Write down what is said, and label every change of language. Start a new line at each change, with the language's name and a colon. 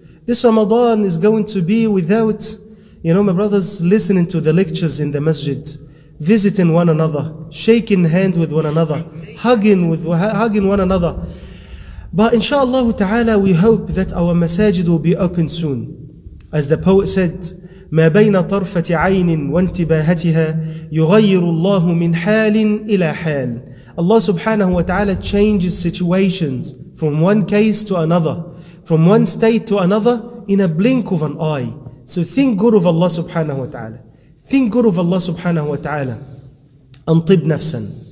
English: This Ramadan is going to be without, you know, my brothers, listening to the lectures in the masjid, visiting one another, shaking hands with one another, hugging one another. But inshallah ta'ala, we hope that our masajid will be open soon. As the poet said,
Arabic: مَا بَيْنَ طَرْفَةِ عَيْنٍ وَانْتِبَاهَتِهَا يُغَيِّرُ اللَّهُ مِنْ حَالٍ إِلَى حَالٍ.
English: Allah subhanahu wa ta'ala changes situations from one case to another, from one state to another in a blink of an eye. So think good of Allah subhanahu wa ta'ala. Think good of Allah subhanahu wa ta'ala. Antib nafsan.